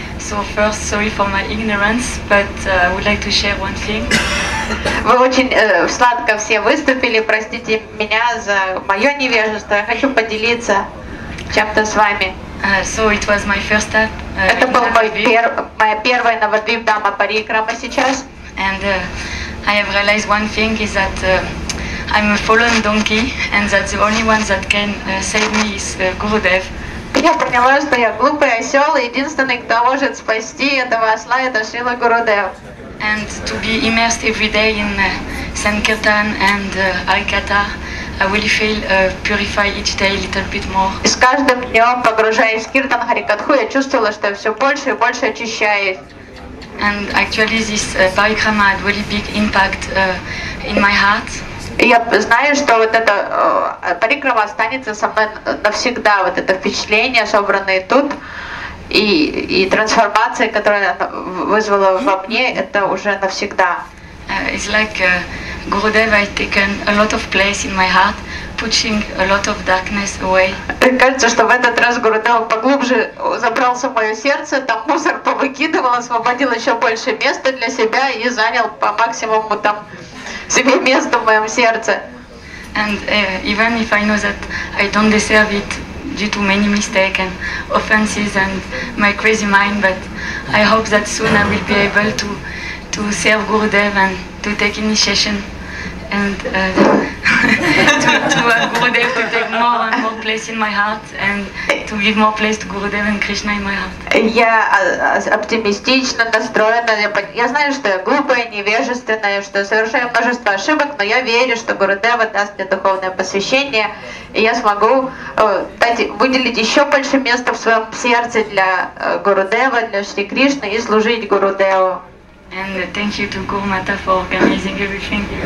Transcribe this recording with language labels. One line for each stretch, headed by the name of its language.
English: So first, sorry for my ignorance, but I would like to share one thing.
Russian: Вы очень сладко все выступили, простите меня за мое невежество. Я хочу поделиться чем-то с вами.
English: So it was my first step.
Russian: Это был моя первая Navadvip Dham Parikrama сейчас.
English: And I have realized one thing is that I'm a fallen donkey, and that the only one that can save me is Gurudev.
Russian: Я поняла, что я глупый осел, и единственный, кто может спасти этого осла, это Шрила Гурудев.
English: And to be immersed every day in Sankirtan and Harikatha, I really feel purify each day a little bit more.
Russian: И с каждым днем, погружаясь в Киртан Харикатху, я чувствовала, что я все больше и больше очищаюсь.
English: And actually this Parikrama had really big impact in my heart.
Russian: Я знаю, что вот эта парикрама останется со мной навсегда, вот это впечатление, собранное тут, и трансформация, которая вызвала во мне, это уже навсегда.
English: It's like Gurudev has taken a lot of place in my heart, pushing a lot of darkness away.
Russian: Кажется, что в этот раз Гурудев поглубже забрался в мое сердце, там мусор повыкидывал, освободил еще больше места для себя и занял по максимуму там себе место в моем сердце.
English: And even if I know that I don't deserve it due to many mistakes and offenses and my crazy mind, but I hope that soon I will be able to serve Gurudev and to take initiation and to have Gurudev to take more and more place in my heart and to give more place to Gurudev and Krishna in my heart.
Russian: Я оптимистично настроена. Я знаю, что я глупая, невежественная, что совершаю множество ошибок, но я верю, что Гурудева даст мне духовное посвящение, и я смогу выделить еще больше места в своем сердце для Гурудева, для Шри Кришны и служить Гурудеву.
English: And thank you to Guru Mata for organizing everything.